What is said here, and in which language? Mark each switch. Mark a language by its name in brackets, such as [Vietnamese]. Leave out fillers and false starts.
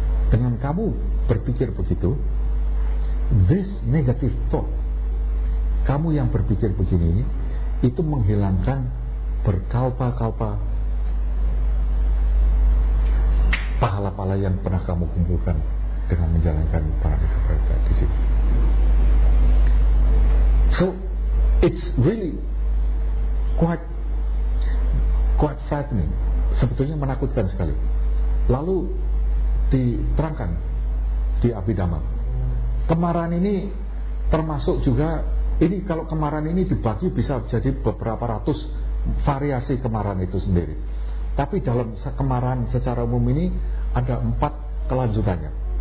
[Indonesian] Dengan kamu berpikir begitu, [English] this negative thought, [Indonesian] kamu yang berpikir begini ini, itu menghilangkan berkalpa-kalpa pahala-pahala yang pernah kamu kumpulkan dengan menjalankan paramita-paramita di sini. [English] So, it's really quite frightening. [Indonesian] Sebetulnya menakutkan sekali. Lalu diterangkan di Abhidhamma. Kemarahan ini termasuk juga, ini kalau kemarahan ini dibagi bisa jadi beberapa ratus variasi kemarahan itu sendiri. Tapi dalam kemarahan secara umum ini ada empat kelanjutannya.